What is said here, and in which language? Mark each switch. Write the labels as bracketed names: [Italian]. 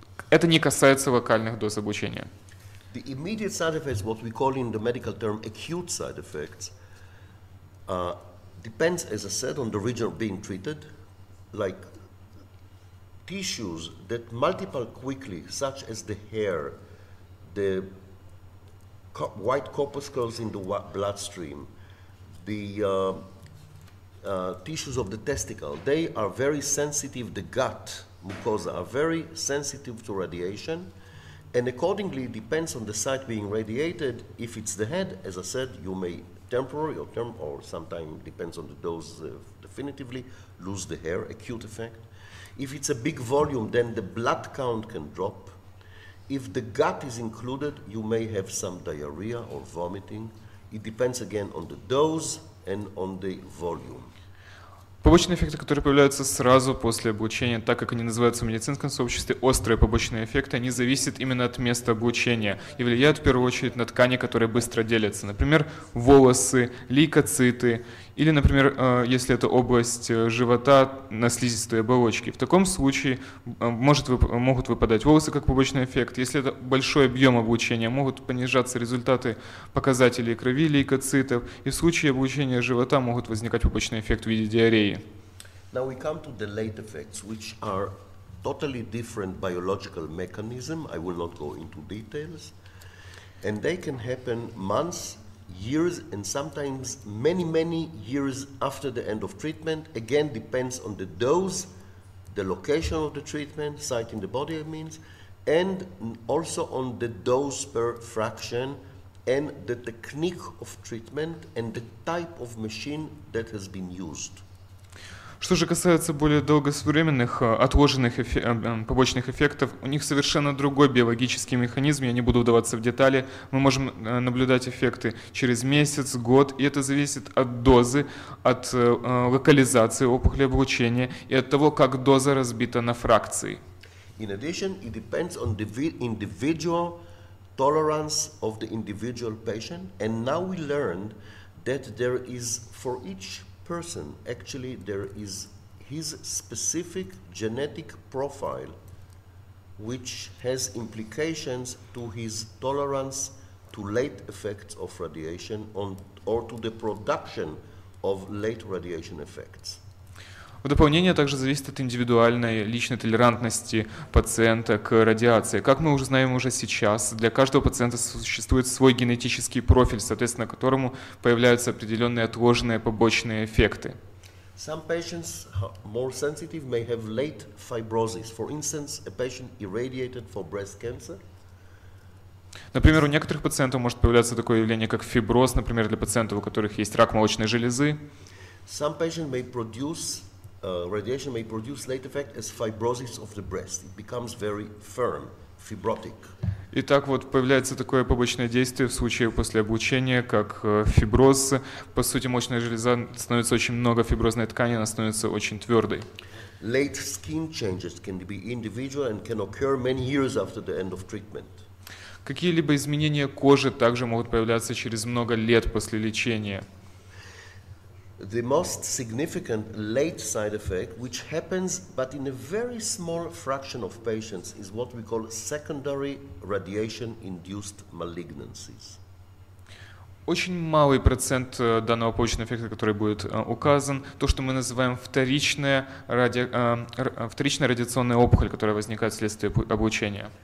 [Russian] Это не касается локальных доз облучения. [English] The immediate side effects, what we call in the medical term acute side effects, depends, as I said, on the region being treated, like tissues that multiply quickly, such as the hair, the white corpuscles in the bloodstream, the tissues of the testicle, they are very sensitive, the gut mucosa are very sensitive to radiation, and accordingly it depends on the site being radiated. If it's the head, as I said, you may temporary or term or sometime depends on the dose definitively lose the hair, acute effect. If it's a big volume, then the blood count can drop. If the gut is included, you may have some diarrhea or vomiting. It depends again on the dose and on the volume. [Russian] Побочные эффекты, которые появляются сразу после облучения, так как они называются в медицинском сообществе острые побочные эффекты, они зависят именно от места облучения и влияют в первую очередь на ткани, которые быстро делятся. Например, волосы, лейкоциты или, например, если это область живота на слизистой оболочке. В таком случае могут выпадать волосы как побочный эффект. Если это большой объем облучения, могут понижаться результаты показателей крови лейкоцитов. И в случае облучения живота могут возникать побочный эффект в виде диареи. [English] Now we come to the late effects, which are totally different biological mechanism. I will not go into details. And they can happen months, years, and sometimes many, many years after the end of treatment. Again, depends on the dose, the location of the treatment, site in the body, it means, and also on the dose per fraction and the technique of treatment and the type of machine that has been used. [Russian] Что же касается более долговременных отложенных побочных эффектов, у них совершенно другой биологический механизм, я не буду вдаваться в детали. Мы можем наблюдать эффекты через месяц, год, и это зависит от дозы, от локализации опухоли облучения и от того, как доза разбита на фракции. [English] In addition, it depends on the individual tolerance of the individual patient, and now we learned that there is for each person, actually, there is his specific genetic profile, which has implications to his tolerance to late effects of radiation on, or to the production of late radiation effects. [Russian] В дополнение также зависит от индивидуальной личной толерантности пациента к радиации. Как мы уже знаем уже сейчас, для каждого пациента существует свой генетический профиль, соответственно, которому появляются определенные отложенные побочные эффекты. [English] Some patients more sensitive may have late fibrosis. For instance, a patient irradiated for breast cancer. [Russian] Например, у некоторых пациентов может появляться такое явление, как фиброз, например, для пациентов, у которых есть рак молочной железы. [English] Some patients may produce radiation may produce late effect as fibrosis of the breast. It becomes very firm, fibrotic. [Russian] И так вот появляется такое побочное действие в случае после облучения, как фиброз. По сути, молочная железа становится очень много фиброзной ткани, она становится очень твердой. [English] Late skin changes can be individual and can occur many years after the end of treatment. [Russian] Какие-либо изменения кожи также могут появляться через много лет после лечения. [English] The most significant late side effect, which happens but in a very small fraction of patients, is what we call secondary radiation-induced malignancies. [Russian] Очень малый процент данного побочного эффекта, который будет указан, то, что мы называем вторичная радиационная опухоль, которая возникает вследствие облучения.